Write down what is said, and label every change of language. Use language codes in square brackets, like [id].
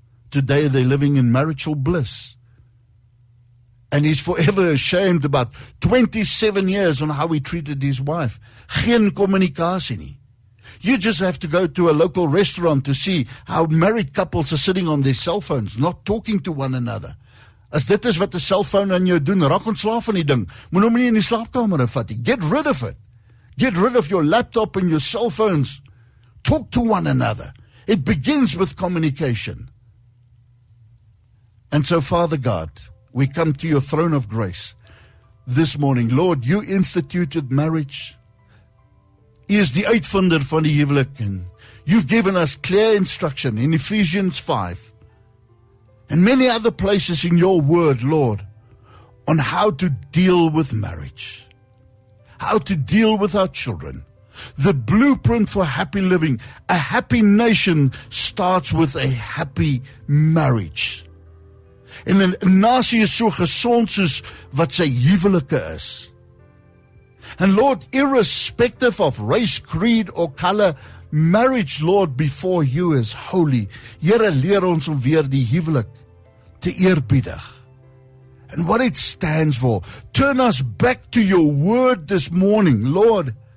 [en] Today they're living in marital bliss, and he's forever ashamed about 27 years on how he treated his wife. [af] Geen communicatie nie. [en] You just have to go to a local restaurant to see how married couples are sitting on their cell phones, not talking to one another. [af] As dit is wat 'n selfoon aan jou doen, raak ontslaaf van die ding. Moet hom nie in die slaapkamer vat nie. [en] Get rid of it. Get rid of your laptop and your cell phones. Talk to one another. It begins with communication. And so, Father God, we come to your throne of grace this morning. Lord, you instituted marriage. [af] U is die uitvinder van die huwelik. [en] You've given us clear instruction in Ephesians 5. And many other places in your word, Lord, on how to deal with marriage, how to deal with our children. The blueprint for happy living, a happy nation starts with a happy marriage. [af] En 'n nasie is so gesond soos wat sy huwelike is. [en] And Lord, irrespective of race, creed or color, marriage, Lord, before you is holy. [af] Here leer ons om weer die huwelik te eerbiedig. [en] And what it stands for. Turn us back to your word this morning, Lord.